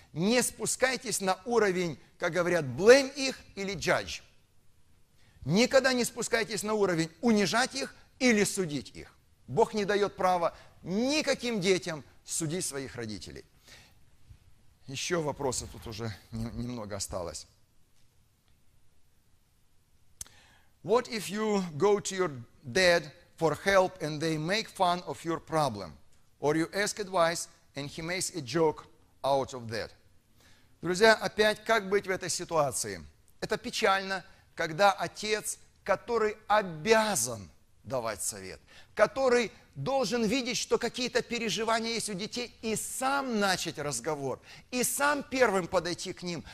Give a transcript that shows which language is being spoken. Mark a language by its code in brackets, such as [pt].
[ru] не спускайтесь на уровень, как говорят, blame их или judge. Никогда не спускайтесь на уровень унижать их или судить их. Бог не дает права никаким детям судить своих родителей. Еще вопросов тут уже немного осталось. [en] What if you go to your dad for help and they make fun of your problem? Or you ask advice and he makes a joke out of that? [ru] Друзья, опять, как быть в этой ситуации? Это печально, когда отец, который обязан давать совет, который должен видеть, что какие-то переживания есть у детей, и сам начать разговор, и сам первым подойти к ним.